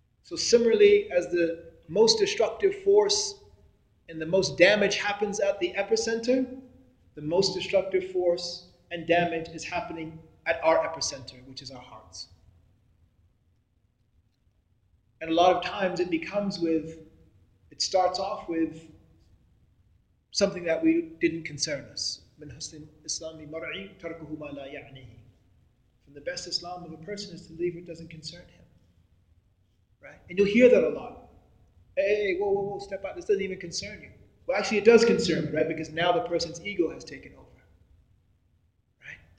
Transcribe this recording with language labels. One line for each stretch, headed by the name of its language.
English: So similarly, as the most destructive force and the most damage happens at the epicenter, the most destructive force and damage is happening at our epicenter, which is our hearts. And a lot of times it starts off with something that we didn't concern us.
Arabic: من حسن إسلامي مرعي تركه ما لا يعنيه.
English: From the best Islam of a person is to leave what doesn't concern him. Right? And you'll hear that a lot. Hey, whoa, step out, this doesn't even concern you. Well, actually it does concern you, right? Because now the person's ego has taken over. Right?